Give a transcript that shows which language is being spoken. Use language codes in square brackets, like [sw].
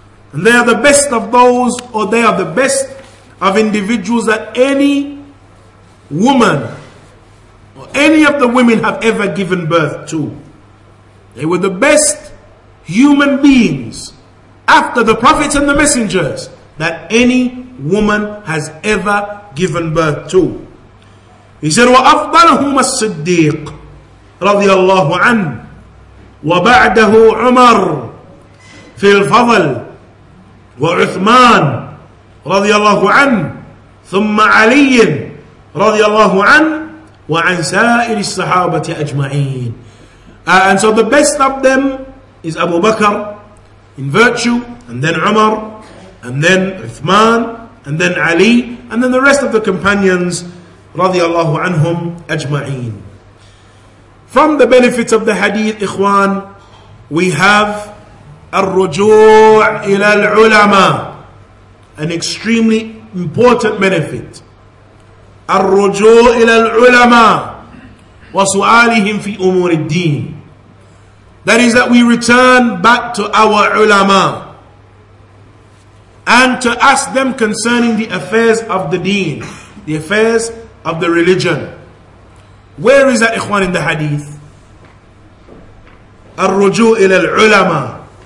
[en] And they are the best of those, or they are the best of individuals that any woman or any of the women have ever given birth to. They were the best human beings after the prophets and the messengers that any woman has ever given birth to. He said, [ar] وَأَفْضَلَهُمَ الصِّدِّيقُ رَضِيَ اللَّهُ عَنْهُ وَبَعْدَهُ عُمَرُ فِي الْفَضَلِ وعثمان رضي الله عنه ثم علي رضي الله عنه وعن سائر الصحابة أجمعين. [en] And so the best of them is Abu Bakr in virtue, and then Umar, and then Uthman, and then Ali, and then the rest of the companions [ar] رضي الله عنهم أجمعين. [en] From the benefits of the hadith, ikhwan, we have [ar] الرجوع إلى العلماء, [en] an extremely important benefit. [ar] الرجوع إلى العلماء وسؤالهم في أمور الدين. [en] That is that we return back to our ulama and to ask them concerning the affairs of the deen, the affairs of the religion. Where is that, ikhwan, in the hadith? [ar] الرجوع إلى العلماء.